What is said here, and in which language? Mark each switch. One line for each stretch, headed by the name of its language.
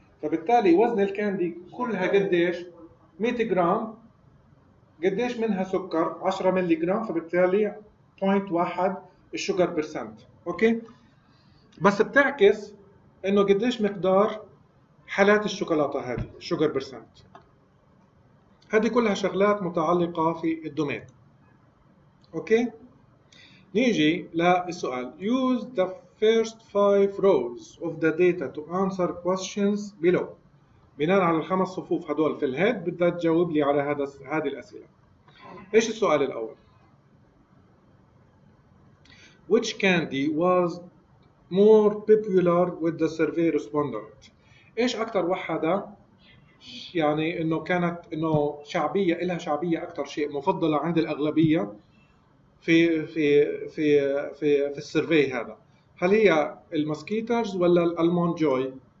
Arabic: فبالتالي وزن الكاندي كلها قديش؟ 100 جرام، قديش منها سكر؟ 10 ملي جرام، فبالتالي 0.1 الشوجر بيرسنت، اوكي؟ بس بتعكس انه قديش مقدار حالات الشوكولاته هذه شوجر بيرسنت. هذه كلها شغلات متعلقه في الدومين. اوكي، نيجي للسؤال.
English: Use the first five rows of the data to answer questions below.
Arabic: بناء على الخمس صفوف هدول في الهيد بدها تجاوب لي على هذه الأسئلة. إيش السؤال الأول؟
English: Which candy was more popular with the survey respondent؟
Arabic: إيش أكثر واحدة يعني إنه كانت إنه شعبية، إلها شعبية أكثر شيء، مفضلة عند الأغلبية في في في في في السيرفي هذا؟ هل هي المسكيتاز ولا الألمون جوي؟